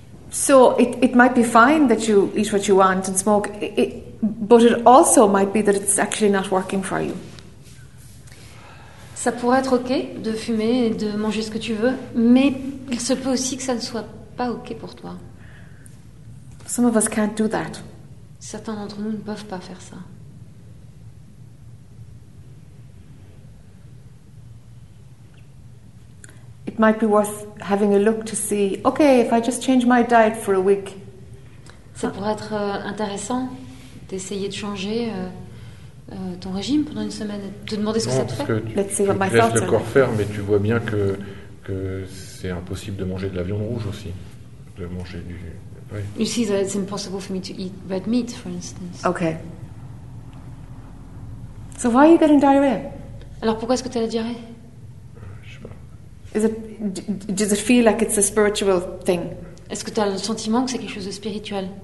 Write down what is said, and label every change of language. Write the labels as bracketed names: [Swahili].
[English] So it might be fine that you eat what you want and smoke, but it also might be that it's actually not working for you. [French] Ça pourrait être ok de fumer et de manger ce que tu veux, mais il se peut aussi que ça ne soit pas ok pour toi. [English] Some of us can't do that. [French] Certains d'entre nous ne peuvent pas faire ça. [English] Might be worth having a look to see. Okay, if I just change my diet for a week. [French] Ça pourrait être intéressant d'essayer de changer ton régime pendant une semaine. Te demander ce que ça te fait. [English] Let's see what my thoughts [French] are. Tu laisses le corps faire, mais tu vois bien que c'est impossible de manger de la viande rouge aussi. De manger du. Ouais. [English] You see that it's impossible for me to eat red meat, for instance. Okay. So why are you getting diarrhea? [French] Alors pourquoi est-ce que tu as la diarrhée? [English] Does it feel like it's a spiritual thing? [French] Est-ce que tu as le sentiment que c'est quelque chose de spirituel?